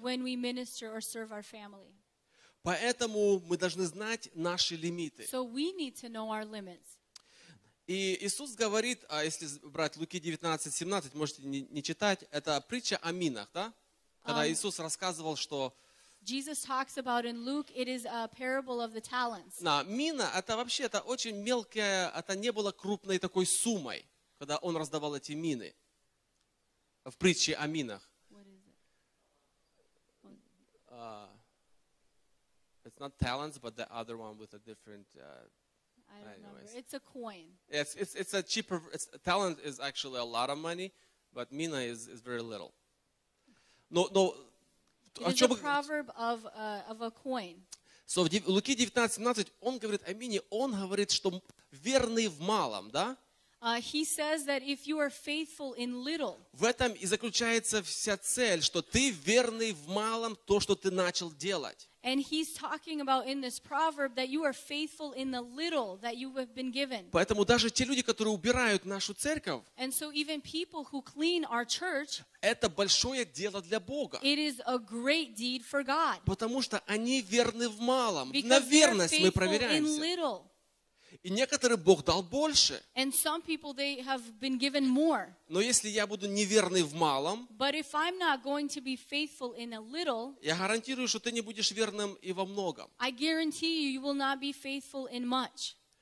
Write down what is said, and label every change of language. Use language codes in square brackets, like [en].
[en] When we minister or serve our family. [ru] Поэтому мы должны знать наши лимиты. [en] So we need to know our limits. [ru] И Иисус говорит, а если брать Луки 19:17, можете не читать, это притча о минах, да? Когда Иисус рассказывал, что [en] Jesus talks about in Luke, it is a parable of the talents. [ru] На мина это вообще это очень мелкая, это не было крупной такой суммой, когда он раздавал эти мины в притче о минах. [en] It's not talents, but the other one with a different. I don't anyways. Remember. It's a coin. It's a cheaper. It's, talent is actually a lot of money, but mina is very little. No. It's a proverb of a coin. [ru] So в Луки 19:17 он говорит о мине. Он говорит, что верный в малом, да? [en] He says that if you are faithful in little. [ru] В этом и заключается вся цель, что ты верный в малом то, что ты начал делать. [en] And he's talking about in this proverb that you are faithful in the little that you have been given. [ru] Поэтому даже те люди, которые убирают нашу церковь, [en] and so even people who clean our church, [ru] это большое дело для Бога. [en] It is a great deed for God. [ru] Потому что они верны в малом. [en] Because [ru] на верность мы проверяемся. [en] In little. [ru] И некоторые Бог дал больше. [en] And some people, they have been given more. [ru] Но если я буду неверный в малом, [en] but if I'm not going to be faithful in a little, [ru] я гарантирую, что ты не будешь верным и во многом. [en] I guarantee you, you will not be faithful in much.